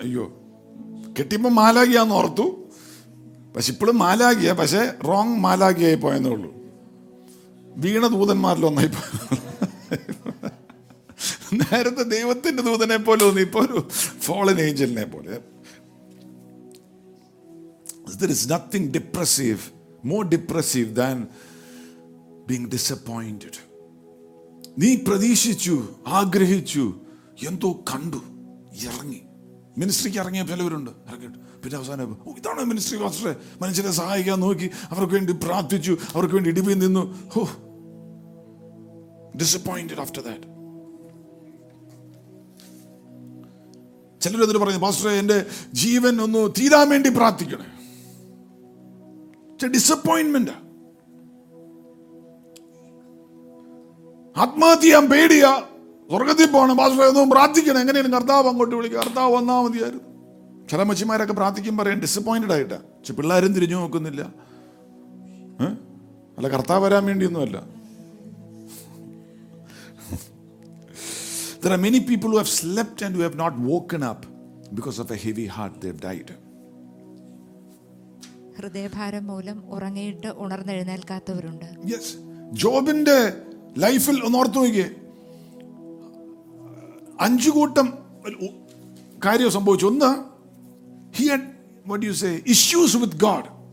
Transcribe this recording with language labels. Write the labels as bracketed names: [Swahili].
[Malayalam] അയ്യോ, കെട്ടിയപ്പോ മാലാഖിയാന്ന് ഓർത്തു, പക്ഷെ ഇപ്പോഴും മാലാഖിയ, പക്ഷെ റോങ് മാലാഖിയായി പോയെന്നേ ഉള്ളൂ. വീണ ദൂതന്മാരിലൊന്നായി പോയ, നേരത്തെ ദൈവത്തിന്റെ ദൂതനെ പോലെ ഒന്നും, ഇപ്പൊ ഒരു ഫോളൻ ഏഞ്ചലിനെ പോലെ. [English] There is nothing depressive, more depressive than being disappointed. [Malayalam] നീ പ്രതീക്ഷിച്ചു, ആഗ്രഹിച്ചു, എന്തോ കണ്ടു, ഇറങ്ങി മിനിസ്ട്രിക്ക് ഇറങ്ങിയ ചിലവരുണ്ട്, ഇറങ്ങിയിട്ട് പിന്നെ അവസാനം ഓ ഇതാണോ മിനിസ്ട്രി പാസ്റ്ററെ, മനുഷ്യരെ സഹായിക്കാൻ നോക്കി, അവർക്ക് വേണ്ടി പ്രാർത്ഥിച്ചു, അവർക്ക് വേണ്ടി ഇടിവി നിന്നു, ഹോ [English] Disappointed after that. [Malayalam] ചിലർ എന്നിട്ട് പറഞ്ഞു, പാസ്റ്ററെ എൻ്റെ ജീവൻ ഒന്ന് തീരാൻ വേണ്ടി പ്രാർത്ഥിക്കണേ. ഡിസപ്പോയിന്റ്മെന്റ്, ആത്മഹത്യ പേടിയ, സ്വർഗത്തിൽ പോകണം, പാസ്റ്ററെ ഒന്നും പ്രാർത്ഥിക്കണം, എങ്ങനെയാണ് കർത്താവ് അങ്ങോട്ട് വിളിക്കുക, കർത്താവ് വന്നാൽ മതിയായിരുന്നു. ചില മച്ചിമാരൊക്കെ പ്രാർത്ഥിക്കും പറയാൻ ഡിസപ്പോയിന്റഡ് ആയിട്ടാ, പക്ഷെ പിള്ളേരും തിരിഞ്ഞു നോക്കുന്നില്ല, അല്ല കർത്താവ് വരാൻ വേണ്ടിയൊന്നുമല്ല. [English] There are many people who have slept and who have not woken up because of a heavy heart. They have died. [Malayalam] ഹൃദയഭാരം മൂലം ഉറങ്ങിയിട്ട് ഉണർന്നെഴുന്നേൽക്കാത്തവരുണ്ട്. [English] Yes. [Malayalam] ജോബിന്റെ ലൈഫിൽ ഒന്ന് ഓർത്തു നോക്കിയേ, അഞ്ചു കൂട്ടം കാര്യം സംഭവിച്ചു. [English] ഒന്ന്, he had what you say issues with God,